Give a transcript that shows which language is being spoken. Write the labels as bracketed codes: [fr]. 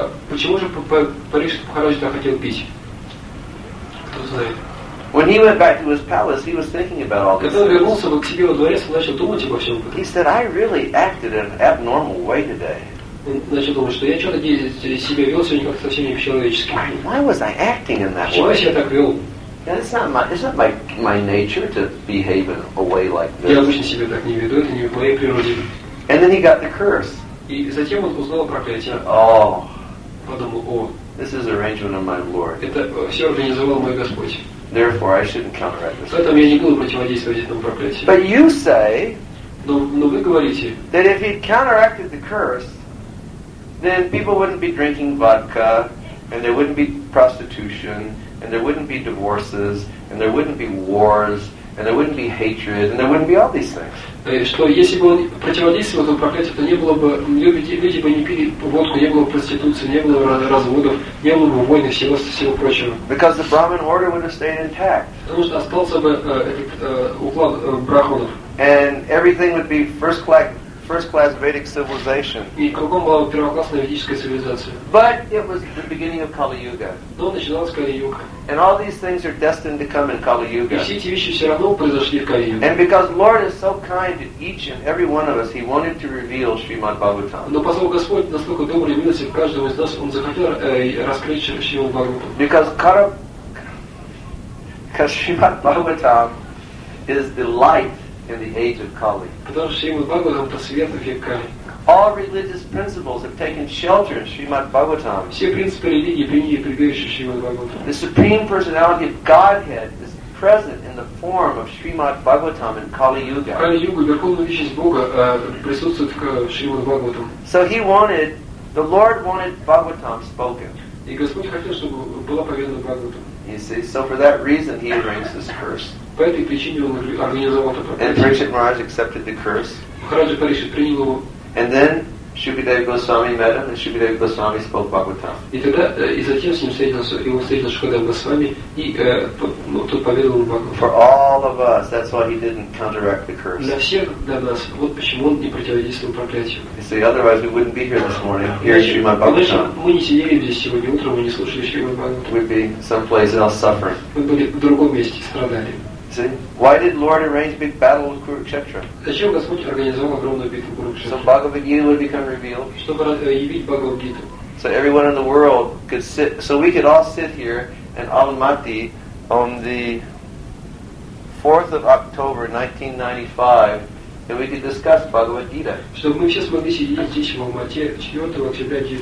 [ru] Почему же Парикшит Махарадж хотел пить? Кто знает? [en] When he went back to his palace, he was thinking about all this. [ru] Когда вернулся к себе во дворец, начал думать обо всем. [en] He said, "I really acted in an abnormal way today." [ru] Начал думать, что я что-то здесь себя вел сегодня как-то совсем не по-человечески. [en] Why was I acting in that way? [ru] Чего я так вел? [en] It's not my nature to behave in a way like this. [ru] Я обычно себя так не веду, это не в моей природе. [en] And then he got the curse. [ru] И затем он узнал проклятие. [en] Oh. [ru] Подумал, о. [en] This is arrangement of my Lord. [ru] Это все организовал мой Господь. [en] Therefore, I shouldn't counteract this. [ru] Поэтому я не буду противодействовать этому проклятию. [en] But you say. [ru] Но вы говорите. [en] That if he'd counteracted the curse, then people wouldn't be drinking vodka, and there wouldn't be prostitution, and there wouldn't be divorces, and there wouldn't be wars, and there wouldn't be hatred, and there wouldn't be all these things. [ru] Что если бы он противодействовал этому проклятию, то не было бы люди бы не пили водку, не было проституции, не было разводов, не было бы войн и всего прочего. [en] Because the Brahmin order would have stayed intact. [ru] Потому что остался бы уклад брахманов. [en] And everything would be first-class Vedic civilization. [ru] И кругом была первоклассная ведическая цивилизация. [en] But it was the beginning of Kali Yuga. [ru] Но начиналась Кали Юга. [en] And all these things are destined to come in Kali Yuga. [ru] И все эти вещи все равно произошли в Кали Юге. [en] And because Lord is so kind to each and every one of us, He wanted to reveal Srimad Bhagavatam. [ru] Но поскольку Господь настолько добрый и милостив к каждому из нас, Он захотел раскрыть Шримад Бхагаватам. [en] Because Srimad Bhagavatam is the light. In the age of Kali. [ru] Потому что Шримад Бхагаватам это свет в век Кали. [en] All religious principles have taken shelter in Srimad Bhagavatam. [ru] Все принципы религии приняли прибежище в Шримад Бхагаватам. [en] The supreme personality of Godhead is present in the form of Srimad Bhagavatam in Kali Yuga. [ru] Кали Юга верховная личность Бога присутствует в Шримад Бхагаватам. [en] So he wanted, the Lord wanted Bhagavatam spoken. [ru] И Господь хотел, чтобы была поведена Бхагаватам. [en] You see, so for that reason he arranged this curse. [ru] По этой причине он организовал это проклятие. [en] And Parikshit Maharaj accepted the curse. [ru] Махараджа Парикшит принял его. [en] And then Shukadeva Goswami met him, and Shukadeva Goswami spoke Bhagavatam. [ru] И тогда и затем с ним встретился, Шукадева Госвами и тот поведал ему Бхагаватам. [en] For all of us, that's why he didn't counteract the curse. [ru] Для всех нас, вот почему он не противодействовал проклятию. [en] You see, otherwise we wouldn't be here this morning, here at Shrimad Bhagavatam. [ru] Мы не сидели здесь сегодня утром, мы не слушали Шримад Бхагаватам. [en] We'd be someplace else suffering. [ru] Мы были в другом месте, страдали. [en] See, why did Lord arrange big battle with Kurukshetra? [ru] Зачем Господь организовал огромную битву в Курукшетре? [en] So Bhagavad Gita would become revealed. [ru] Чтобы явить Бхагавад Гиту. [en] So everyone in the world could sit. So we could all sit here in Almaty on the 4th of October 1995, and we could discuss Bhagavad Gita. [ru] Чтобы мы все смогли сидеть здесь в Алмате 4 октября 1995.